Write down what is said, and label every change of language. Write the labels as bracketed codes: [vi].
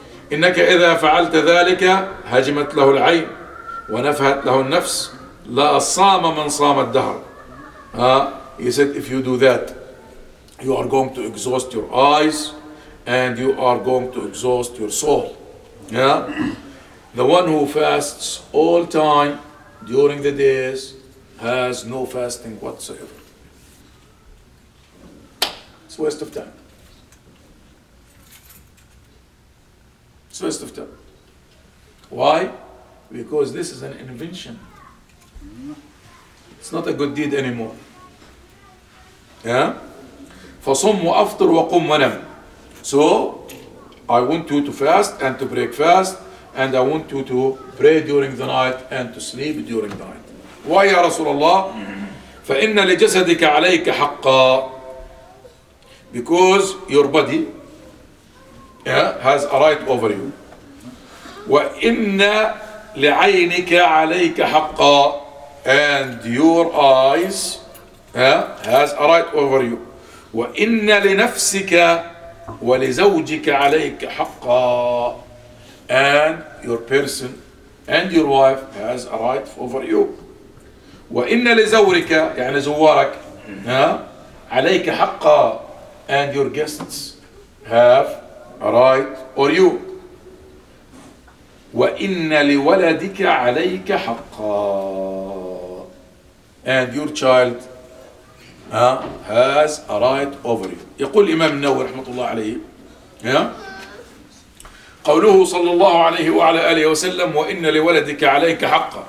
[ar] إنك إذا فعلت ذلك هجمت له العين ونفهت له النفس لا صام من صام الدهر. [en] He said, if you do that, you are going to exhaust your eyes and you are going to exhaust your soul. Yeah? The one who fasts all time during the days has no fasting whatsoever. It's a waste of time. It's a waste of time. Why? Because this is an invention. It's not a good deed anymore. Yeah? [ar] فصم وأفطر وقم ونم. [en] So, I want you to fast and to break fast, and I want you to pray during the night and to sleep during the night. [ar] Why, يا رسول الله؟ فإن لجسدك عليك حقا. [en] Because your body has a right over you. [ar] وإن لعينك عليك حقا. [en] And your eyes has a right over you. [ar] وإن لنفسك ولزوجك عليك حقا. [en] And your person and your wife has a right over you. [ar] وإن لزورك يعني زوارك عليك حقا. [en] And your guests have a right over you. [ar] وإن لولدك عليك حقا. [en] And your child has a right over you. [ar] يقول الإمام النووي رحمة الله عليه قوله صلى الله عليه وعلى آله وسلم وإن لولدك عليك حقا.